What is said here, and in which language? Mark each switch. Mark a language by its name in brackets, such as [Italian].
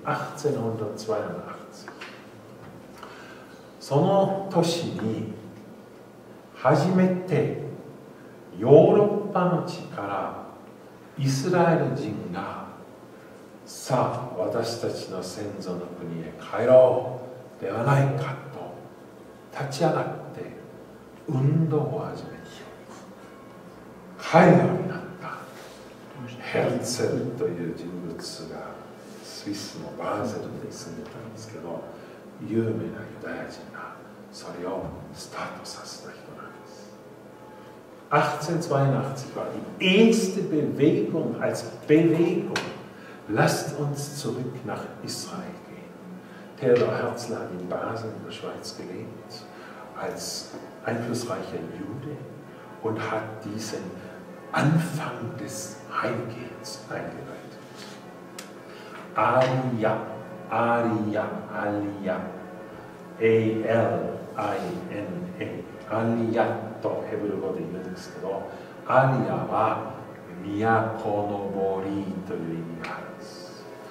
[Japanese] 1882年、その年に初めてヨーロッパの地からイスラエル人がさあ私たちの先祖の国へ帰ろうではないかと立ち上がって運動を始めて帰るようになった。ヘルツェルという人物がスイスのバーゼルに住んでたんですけど、有名なユダヤ人がそれをスタートさせた人なんです。 [German] 1882 war die erste Bewegung als Bewegung. Lasst uns zurück nach Israel gehen. Theodor Herzl hat in Basel in der Schweiz gelebt als einflussreicher Jude und hat diesen Anfang des Heimgehens eingeleitet. [Japanese] Aria, Aria, Aria, A-L-I-N-A, Aria, とヘブル語で言うんですけど、Aria は都のぼりという意味があるんです。